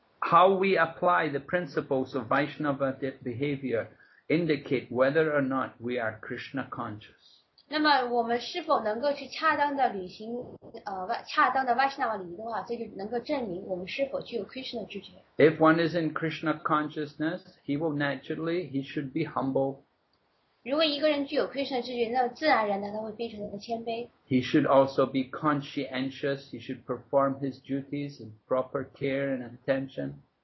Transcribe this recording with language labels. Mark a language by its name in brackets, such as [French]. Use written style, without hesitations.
[English] how we apply the principles of Vaishnava behavior indicate whether or not we are Krishna conscious. [Chinese] 那么我们是否能够去恰当的履行恰当的Vaishnava礼仪的话，这就能够证明我们是否具有Krishna知觉。 [English] If one is in Krishna consciousness, he should be humble. [Chinese] 如果一个人具有Krishna知觉，那自然而然的他会非常的谦卑。 [English] He should also be conscientious. He should perform his duties with proper care and attention.